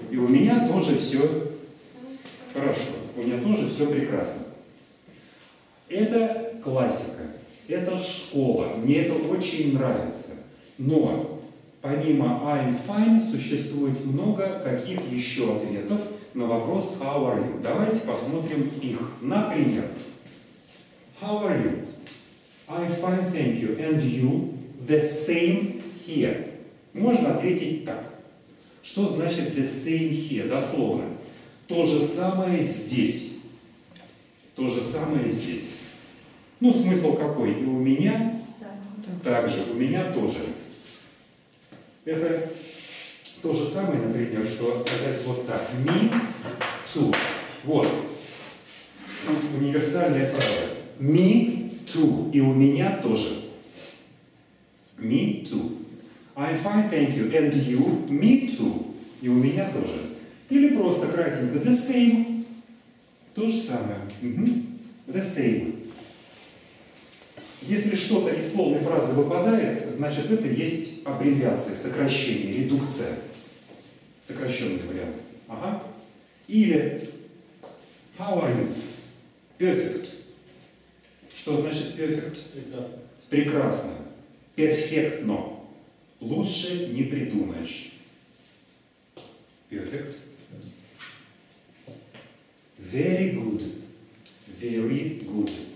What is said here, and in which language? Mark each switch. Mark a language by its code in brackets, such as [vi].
[ru] И у меня тоже все хорошо, у меня тоже все прекрасно. Это классика, это школа, мне это очень нравится. Но помимо [en] I'm fine [ru] существует много каких еще ответов на вопрос [en] how are you. [ru] Давайте посмотрим их. [en] Например, how are you? I'm fine, thank you. And you? The same here. [ru] Можно ответить так. Что значит [en] the same here? [ru] Дословно. То же самое здесь. То же самое здесь. Ну, смысл какой? И у меня? Так же. У меня тоже. Это то же самое, например, что сказать вот так. [en] Me too. [ru] Вот. Универсальная фраза. [en] Me too. [ru] И у меня тоже. [en] Me too. I'm fine, thank you. And you? Me too. И у меня тоже. [ru] Или просто кратенько. [en] The same. [ru] То же самое. [en] The same. [ru] Если что-то из полной фразы выпадает, значит, это есть аббревиация, сокращение, редукция. Сокращенный вариант. Ага. [en] Или how are you? Perfect. [ru] Что значит [en] perfect? [ru] Прекрасно. Прекрасно. Перфектно. Лучше не придумаешь. [en] Perfect. Very good. Very good.